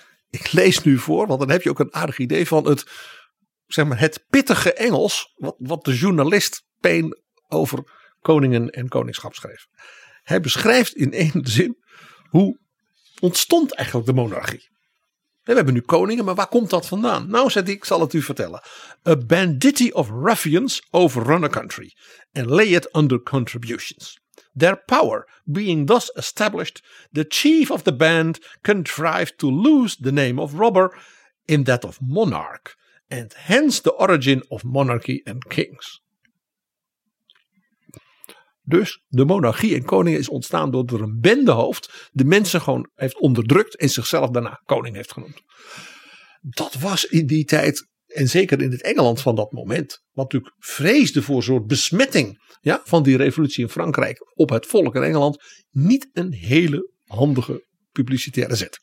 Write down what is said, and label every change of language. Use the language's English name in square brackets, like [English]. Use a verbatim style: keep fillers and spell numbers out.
[Dutch] Ik lees nu voor, want dan heb je ook een aardig idee van het, zeg maar, het pittige Engels wat, wat de journalist Paine over koningen en koningschap schreef. Hij beschrijft in één zin hoe ontstond eigenlijk de monarchie. We hebben nu koningen, maar waar komt dat vandaan? Nou, zei hij, ik zal het u vertellen. [English] A bandity of ruffians overrun a country and lay it under contributions. Their power being thus established, the chief of the band contrived to lose the name of robber in that of monarch, and hence the origin of monarchy and kings. [Dutch] Dus de monarchie en koningen is ontstaan doordat er een bendehoofd de mensen gewoon heeft onderdrukt en zichzelf daarna koning heeft genoemd. Dat was in die tijd, en zeker in het Engeland van dat moment, wat natuurlijk vreesde voor een soort besmetting, ja, van die revolutie in Frankrijk op het volk in Engeland, niet een hele handige publicitaire zet.